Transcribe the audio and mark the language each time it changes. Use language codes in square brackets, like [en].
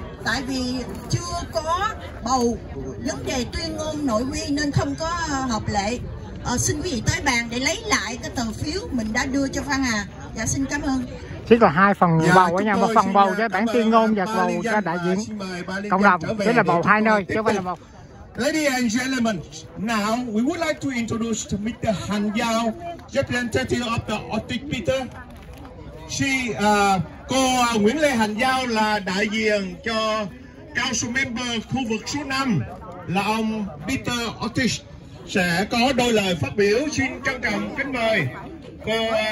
[vi] Tại vì chưa có bầu vấn đề tuyên ngôn nội quy nên không có hợp lệ. Xin quý vị tới bàn để lấy lại cái tờ phiếu mình đã đưa cho Phan Hà. Dạ xin cảm ơn. Chính là hai phần bầu ở nhà, một phần bầu cho bản tuyên ngôn và bầu cho đại diện cộng đồng. Chính là bầu hai nơi, chứ không phải là một. [en] Ladies and gentlemen, now we would like to introduce to Mr. Han Yao, representative of the Arctic Peter. [vi] She, cô Nguyễn Lê Hành Giao là đại diện cho Council Member khu vực số 5 là ông Peter Otis sẽ có đôi lời phát biểu. Xin trân trọng kính mời cô.